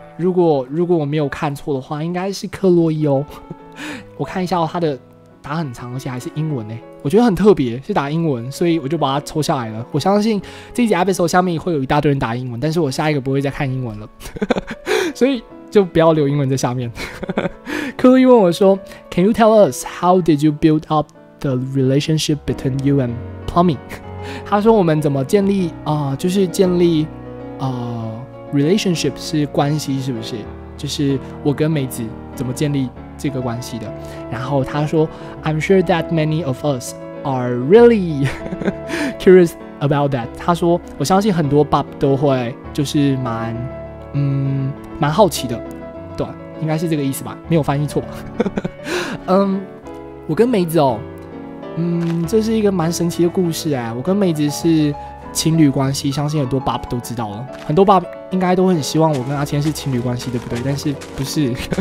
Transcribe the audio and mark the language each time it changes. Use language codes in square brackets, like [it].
[zh] 如果我没有看错的话，应该是克洛伊哦。我看一下哦，他的打很长，而且还是英文诶，我觉得很特别，是打英文，所以我就把它抽下来了。我相信这一集 episode 下面会有一大堆人打英文，但是我下一个不会再看英文了，所以就不要留英文在下面。克洛伊问我说 [en] ：“Can you tell us how did you build up the relationship between you and plumbing？” [zh] 他说我们怎么建立啊、就是建立relationship 是关系是不是？就是我跟梅子怎么建立这个关系的？然后他说 [en] ：“I'm sure that many of us are really curious about that。” [zh] 他说我相信很多 Bob 都会就是蛮好奇的，对，应该是这个意思吧，没有翻译错吧。我跟梅子哦，这是一个蛮神奇的故事哎。我跟梅子是情侣关系，相信很多 Bob 都知道了，很多 Bob 应该都很希望我跟阿谦是情侣关系，对不对？但是不是。